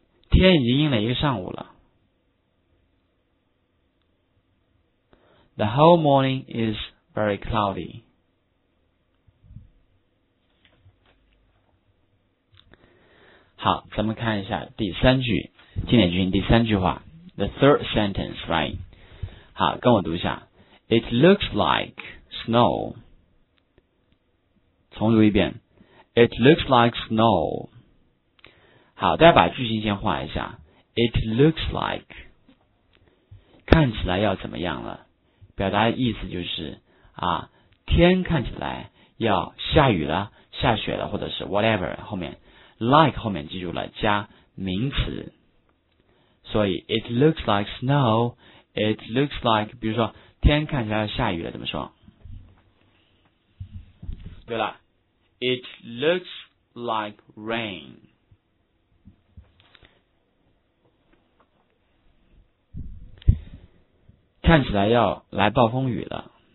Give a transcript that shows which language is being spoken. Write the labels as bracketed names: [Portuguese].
[Chinese] 天已经阴了一个上午了。 [English] The whole morning is very cloudy. [Chinese] 好，咱们看一下第三句，经典句型第三句话 ， [English] the third sentence, right? [Chinese] 好，跟我读一下 [English] ，It looks like snow. [Chinese] 重读一遍 [English] ，It looks like snow. [Chinese] 好，大家把句型先画一下。 [English] It looks like， [Chinese] 看起来要怎么样了？表达的意思就是啊，天看起来要下雨了、下雪了，或者是 whatever 后面 like 后面记住了加名词。所以 [English] it looks like snow， it looks like， [Chinese] 比如说天看起来要下雨了，怎么说？对了， [English] it looks like rain。 [Chinese] 看起来要来暴风雨了。